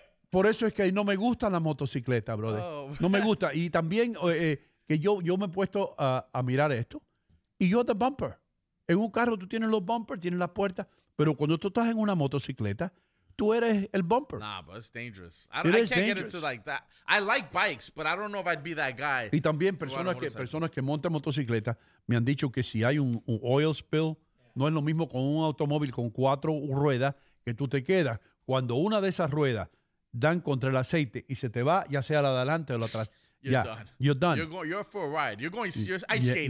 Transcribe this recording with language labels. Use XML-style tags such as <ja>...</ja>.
<es>Por eso es que no me gusta la motocicleta, brother. Oh. No me gusta. Y también que yo me he puesto a mirar esto. Y yo, the bumper. En un carro tú tienes los bumpers, tienes las puertas. Pero cuando tú estás en una motocicleta, tú eres el bumper.</es> <en>Nah, but it's dangerous. I can't get into like that. I like bikes, but I don't know if I'd be that guy.</en> <es>Y también personas que montan motocicleta me han dicho que si hay un oil spill, yeah, no es lo mismo con un automóvil con cuatro ruedas que tú te quedas. Cuando una de esas ruedas dan contra el aceite y se te va, ya sea la de adelante o la atrás.</es> <en>You're done. You're for a ride. You're going. You're ice skating.</en>